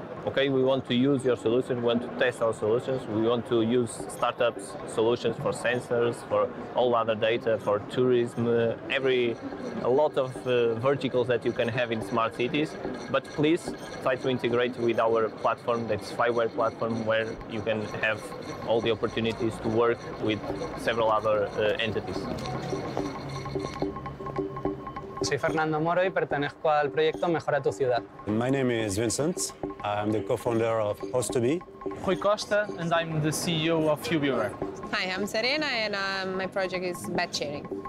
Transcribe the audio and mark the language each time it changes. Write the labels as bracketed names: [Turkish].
[English] okay, we want to use your solution, we want to test our solutions, we want to use startups solutions for sensors, for all other data, for tourism, a lot of verticals that you can have in smart cities, but please try to integrate with our platform, that's Spyware platform, where you can have all the opportunities to work with several other entities. [Spanish] Soy Fernando Moro y pertenezco al proyecto Mejora tu Ciudad. [English] My name is Vincent. I'm the co-founder of Host2Be. Rui Costa, and I'm the CEO of Ubiver. Hi, I'm Serena, and my project is Bed Sharing.